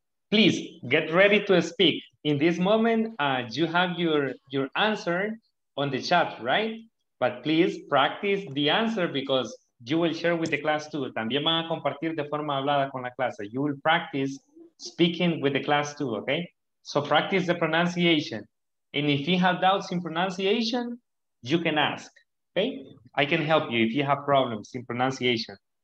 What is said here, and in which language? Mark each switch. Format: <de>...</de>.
<en>Please get ready to speak. In this moment, you have your answer on the chat, right? But please practice the answer because you will share with the class too.</en> <es>También van a compartir de forma hablada con la clase.</es> <en>You will practice speaking with the class too, okay? So practice the pronunciation. And if you have doubts in pronunciation, you can ask, okay? I can help you if you have problems in pronunciation.</en>